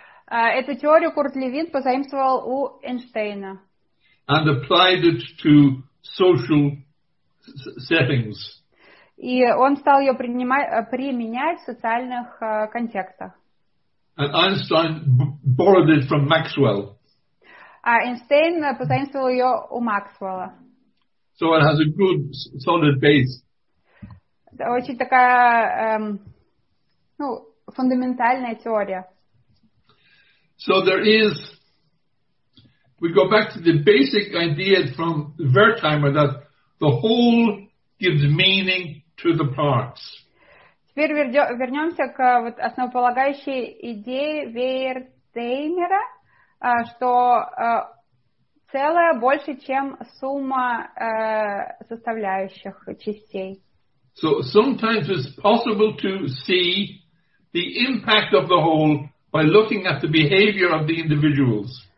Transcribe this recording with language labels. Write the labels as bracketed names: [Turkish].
[Russian] Эту теорию Курт Левин позаимствовал у Эйнштейна. [English] And applied it to social settings. [Russian] И он стал ее применять в социальных контекстах. [English] And Einstein borrowed it from Maxwell. [Russian] А Эйнштейн позаимствовал ее у Максвелла. [English] So it has a good solid base. [Russian] Очень такая фундаментальная теория. [English] So there is, we go back to the basic idea from Wertheimer that the whole gives meaning to the parts. [Russian] Теперь вернемся к вот основополагающей идее Вертхаймера, что целое больше, чем сумма составляющих частей. [English] So sometimes it's possible to see the impact of the whole by looking at the behavior of the individuals.